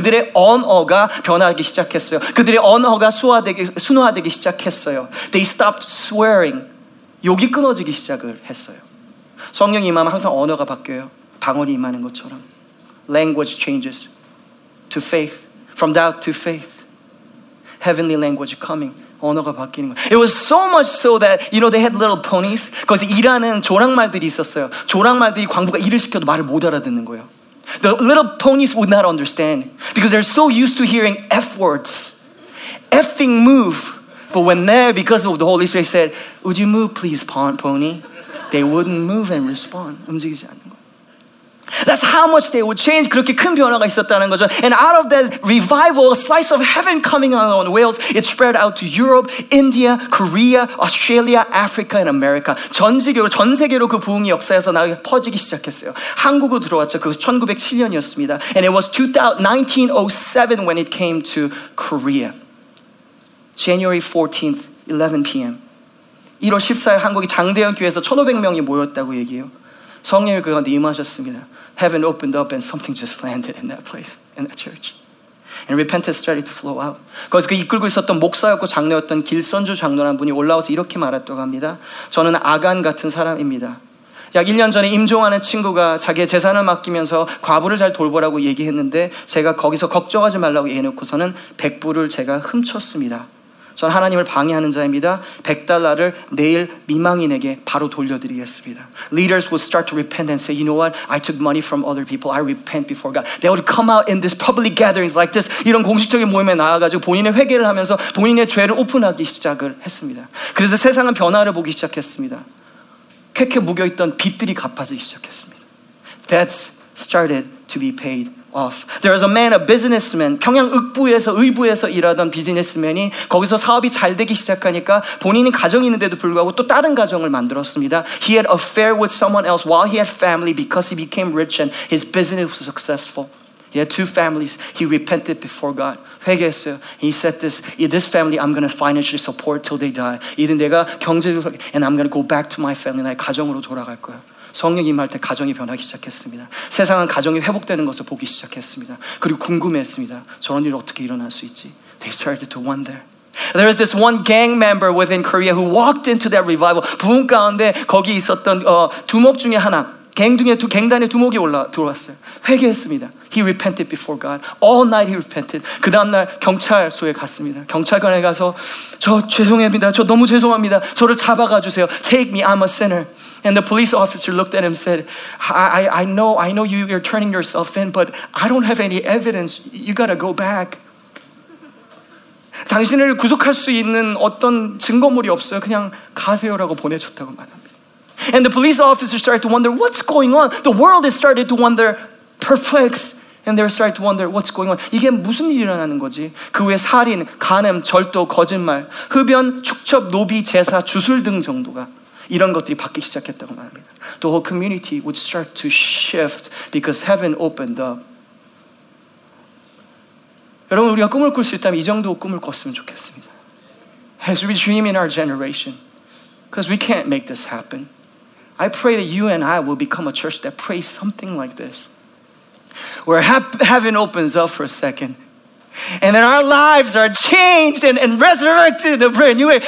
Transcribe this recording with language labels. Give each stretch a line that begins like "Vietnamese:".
Korean: 그들의 언어가 변하기 시작했어요. 그들의 언어가 순화되기 시작했어요.
English: They stopped swearing.
Korean: 욕이 끊어지기 시작을 했어요. 성령이 임하면 항상 언어가 바뀌어요. 방언이 임하는 것처럼.
English: Language changes to faith. From doubt to faith. Heavenly language coming.
Korean: 언어가 바뀌는 거예요.
English: It was so much so that, you know, they had little ponies.
Korean: 거기서 일하는 조랑말들이 있었어요. 조랑말들이 광부가 일을 시켜도 말을 못 알아듣는 거예요.
English: The little ponies would not understand because they're so used to hearing F words. F-ing move. But when there, because of the Holy Spirit said, would you move please, pony? They wouldn't move and respond.
Korean: 움직이지 않는 거예요.
English: That's how much they would change.
Korean: 그렇게 큰 변화가 있었다는 거죠.
English: And out of that revival, a slice of heaven coming out on Wales, it spread out to Europe, India, Korea, Australia, Africa, and America.
Korean: 전 세계로 그 부흥이 역사에서 나 퍼지기 시작했어요. 한국으로 들어왔죠. 그것이 1907년이었습니다.
English: And it was 1907 when it came to Korea. January 14th, 11 p.m.
Korean: 1월 14일 한국의 장대현 교회에서 1,500명이 모였다고 얘기해요. 성령이 그가운데 임하셨습니다.
English: Heaven opened up and something just landed in that place, in that church. And repentance started to flow out.
Korean: 거기서 그 이끌고 있었던 목사였고 장로였던 길선주 장로라는 분이 올라와서 이렇게 말했다고 합니다. 저는 아간 같은 사람입니다. 약 1년 전에 임종하는 친구가 자기의 재산을 맡기면서 과부를 잘 돌보라고 얘기했는데 제가 거기서 걱정하지 말라고 얘기해놓고서는 100불을 제가 훔쳤습니다. 저는 하나님을 방해하는 자입니다. 100달러를 내일 미망인에게 바로 돌려드리겠습니다.
English: Leaders would start to repent and say, you know what? I took money from other people. I repent before God. They would come out in this public gatherings like this.
Korean: 이런 공식적인 모임에 나와가지고 본인의 회개를 하면서 본인의 죄를 오픈하기 시작을 했습니다. 그래서 세상은 변화를 보기 시작했습니다. 쾌쾌 묵여있던 빚들이 갚아지기 시작했습니다.
English: Debts started to be paid off. There was a man, a businessman,
Korean: 평양 읍부에서, 의부에서 일하던 비즈니스맨이 거기서 사업이 잘 되기 시작하니까 본인이 가정이 있는데도 불구하고 또 다른 가정을 만들었습니다.
English: He had an affair with someone else while he had family because he became rich and his business was successful. He had two families. He repented before God.
Korean: 회개했어요.
English: He said this, this family I'm going to financially support till they die.
Korean: 이는 내가 경제적으로,
English: and I'm going to go back to my family,
Korean: 나의 가정으로 돌아갈 거야. 성령이 임할 때 가정이 변하기 시작했습니다. 세상은 가정이 회복되는 것을 보기 시작했습니다. 그리고 궁금해했습니다. 저런 일이 어떻게 일어날 수 있지?
English: They started to wonder. There was this one gang member within Korea who walked into that revival.
Korean: 부흥 가운데 거기 있었던 두목 중에 하나, 갱단의 두목이 들어왔어요. 회개했습니다.
English: He repented before God. All night he repented.
Korean: 그 다음날 경찰서에 갔습니다. 경찰관에 가서 저 죄송합니다. 저 너무 죄송합니다. 저를 잡아가 주세요.
English: Take me. I'm a sinner. And the police officer looked at him and said, I know you're turning yourself in, but I don't have any evidence. You gotta go back.
Korean: 당신을 구속할 수 있는 어떤 증거물이 없어요. 그냥 가세요라고 보내줬다고 말합니다.
English: And the police officer started to wonder, what's going on? The world has started to wonder, perplexed. And they started to wonder what's going on.
Korean: 이게 무슨 일이 일어나는 거지? 그 외에 살인, 간음, 절도, 거짓말, 흡연, 축첩, 노비, 제사, 주술 등 정도가 이런 것들이 바뀌기 시작했다고 말합니다.
English: The whole community would start to shift because heaven opened up.
Korean: 여러분, 우리가 꿈을 꿀 수 있다면 이 정도 꿈을 꿨으면 좋겠습니다.
English: As we dream in our generation, because we can't make this happen, I pray that you and I will become a church that prays something like this. Where heaven opens up for a second, and then our lives are changed and resurrected in a brand new way.